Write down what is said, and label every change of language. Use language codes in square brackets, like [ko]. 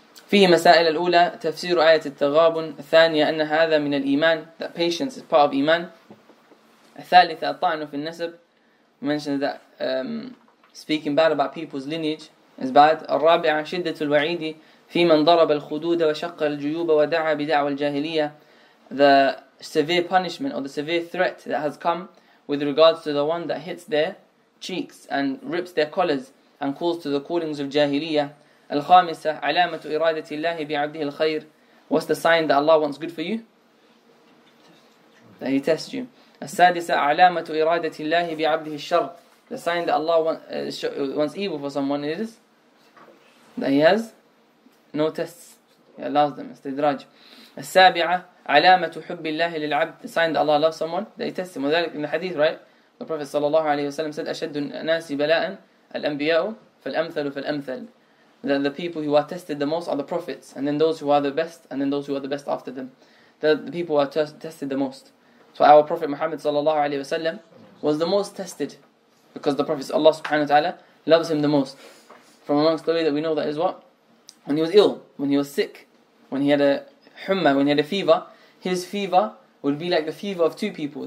[ar] فيه مسائل الأولى تفسير آية التغابن, الثانية أن هذا من الإيمان, [en] that patience is part of إيمان, [ar] الثالثة الطعن في النسب, [en] mentioned that speaking bad about people's lineage is bad, [ar] الرابعة شدة الوعيد في من ضرب الخدود وشق الجيوب ودعا بدعوى الجاهلية, [en] the severe punishment or the severe threat that has come with regards to the one that hits their cheeks and rips their collars and calls to the callings of جاهلية. [ar] الخامسة علامة إرادة الله بعبده الخير. [en] What's the sign that Allah wants good for you? That He tests you. [ar] السادسة علامة إرادة الله بعبده الشر. [en] The sign that Allah wants evil for someone is that He has no tests. He allows them. استدراج. [ar] السابعة علامة حب الله للعبد. [en] The sign that Allah loves someone, that He tests him. وذلك in the hadith, right? The Prophet [ar] صلى الله عليه وسلم [en] said, [ar] أشد الناس بلاء الأنبياء فالأمثل فالأمثل. [en] That the people who are tested the most are the prophets, and then those who are the best, and then those who are the best after them. That the people who are tested the most. So our Prophet Muhammad sallallahu alaihi wasallam was the most tested, because the Prophet Allah subhanahu wa ta'ala loves him the most. From amongst the way that we know that is what? When he was ill, when he was sick, when he had a humma, when he had a fever, his fever would be like the fever of two people.